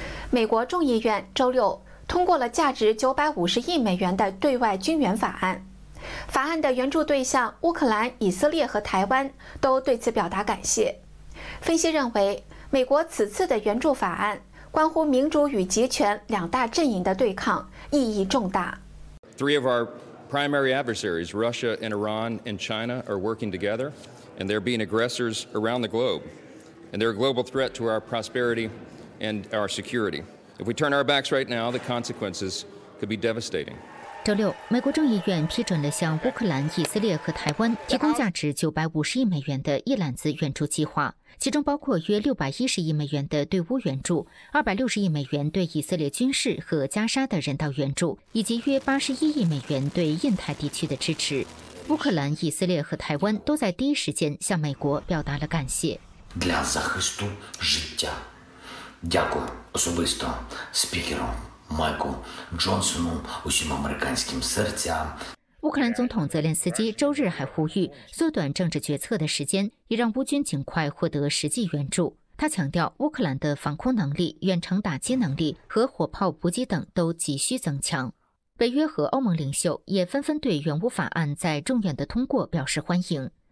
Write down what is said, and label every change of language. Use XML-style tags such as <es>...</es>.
<zh>美国众议院周六通过了价值950亿美元的对外军援法案，法案的援助对象乌克兰、以色列和台湾都对此表达感谢。分析认为，美国此次的援助法案关乎民主与集权两大阵营的对抗，意义重大。</zh> <en>Three of our primary adversaries, Russia and Iran and China, are working together, and they're being aggressors around the globe, and they're a global threat to our prosperity and our security. If we turn our backs right now, the consequences could be devastating.</en> <zh>周六，美国众议院批准了向乌克兰、以色列和台湾提供价值950亿美元的一揽子援助计划，其中包括约610亿美元的对乌援助、260亿美元对以色列军事和加沙的人道援助，以及约81亿美元对印太地区的支持。乌克兰、以色列和台湾都在第一时间向美国表达了感谢。</zh> <uk>Для захисту життя. Дякую особисто спікеру. Майку Джонсону, усім американським серцям.</uk> <zh>乌克兰总统泽连斯基周日还呼吁缩短政治决策的时间，以让乌军尽快获得实际援助。他强调，乌克兰的防空能力、远程打击能力和火炮补给等都急需增强。北约和欧盟领袖也纷纷对援乌法案在众院的通过表示欢迎。</zh>